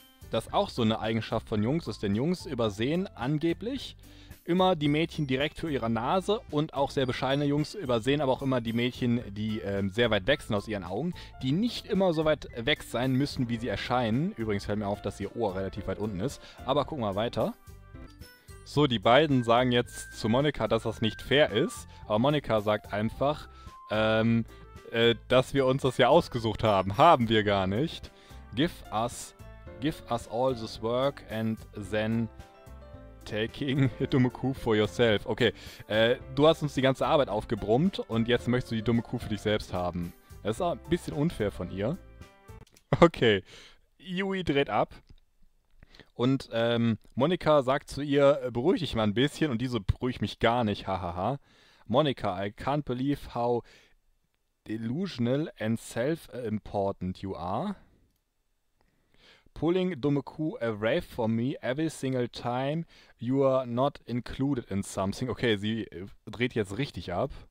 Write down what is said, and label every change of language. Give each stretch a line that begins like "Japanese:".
German: das auch so eine Eigenschaft von Jungs ist, denn Jungs übersehen angeblich immer die Mädchen direkt vor ihrer Nase und auch sehr bescheidene Jungs übersehen aber auch immer die Mädchen, die sehr weit weg sind aus ihren Augen, die nicht immer so weit weg sein müssen, wie sie erscheinen. Übrigens fällt mir auf, dass ihr Ohr relativ weit unten ist, aber gucken wir weiter. So, die beiden sagen jetzt zu Monika, dass das nicht fair ist, aber Monika sagt einfach, dass wir uns das ja ausgesucht haben. Haben wir gar nicht.
English: Give us all this work and then taking a
German: dumme Kuh
English: for yourself.
German: Okay, du hast uns die ganze Arbeit aufgebrummt und jetzt möchtest du die dumme Kuh für dich selbst haben. Das ist auch ein bisschen unfair von ihr. Okay, Yui dreht ab. Und Monika sagt zu ihr, beruhig dich mal ein bisschen. Und diese beruhigt mich gar nicht, hahaha.
English: Monika, I can't believe how delusional and self-important you are. Pulling
German: dumme Kuh
English: away from me every single time you are not included in something.
German: Okay, sie dreht jetzt richtig ab.